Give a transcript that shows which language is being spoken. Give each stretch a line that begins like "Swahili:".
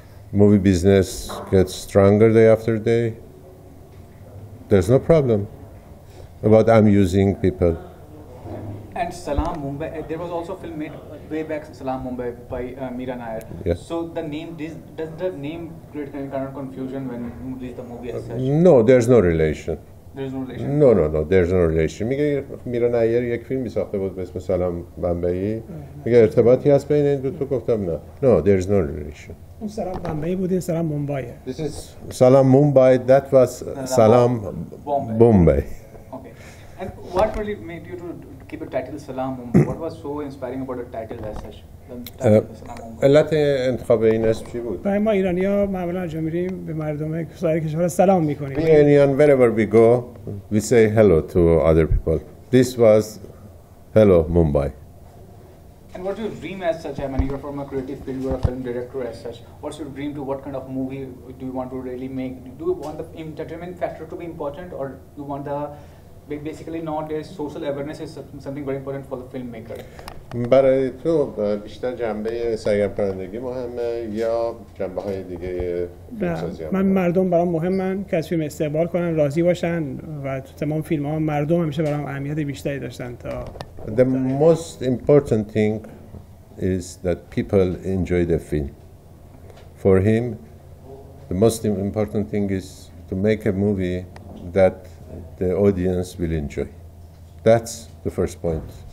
English: Movie business gets stronger day after day. There's no problem about amusing people. And Salam Mumbai, there was also a film made way back, Salam Mumbai, by Meera Nair. Yes. So the name, does the name create any kind of confusion when you release the movie as such? No, there's no relation. There's no relation. No, there's no relation.
Persian: میگه میرا نایر یک فیلمی ساخته بود به اسم سلام بمبئی. میگه ارتباطی هست بین این دو تا؟ گفتم نه.
English: No, there's no relation.
Persian: اون سلام بمبئی بود، این سلام مومبای.
English: This is Salaam Mumbai. That was Salaam Bombay. Okay. And what really made you to keep a title Salaam Mumbai? What was so inspiring about a title as such?
Persian: علت انتخاب این اسم چی بود؟ برای ما ایرانی ها معمولا انجا میریم به مردم سایر کشور سلام میکنیم.
English: We Iranian, wherever we go, we say hello to other people. This was hello Mumbai. And what's your dream as such? I mean, you're from a creative field, you're a film director as such. What's your dream to what kind of movie do you want to really make? Do you want the entertainment factor to be important or do you want the basically nowadays social awareness is something very important for the filmmaker?
Persian: برای تو بیشتر جنبه سرگرم کنندگی مهمه یا جنبه های دیگه فیلمسازی هم؟ من مردم برام مهمن که از فیلم استقبال کنن، راضی باشن و تو تمام فیلم ها مردم همیشه برام اهمیت بیشتری داشتن تا
English: The most important thing is that people enjoy the film. For him, the most important thing is to make a movie that the audience will enjoy. That's the first point.